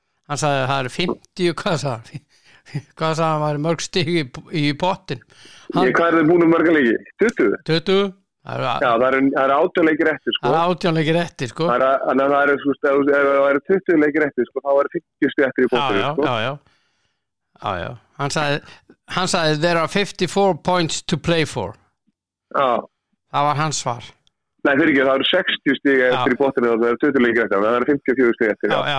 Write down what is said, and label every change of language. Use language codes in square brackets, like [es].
[is] Hann sagði það 50 hvað sagði hann? Hvað sagði hann var mörg stig í pottin. Hann ég, hvað þeir búin mörg leiki? 20. 20. Það er 18 leikir eftir sko. Það er 18 leikir eftir sko. Það er sko ef það er 20 leikir eftir sko þá er 50 stig eftir í pottin sko. Já já. Já já. Hann sagði [en] there are 54 points to play for. [is] Já. Það var hans svar. Nei, fyrir ekki, það eru 60 stig eftir í botinu og það eru 20 lengur eftir, það eru 54 stig eftir.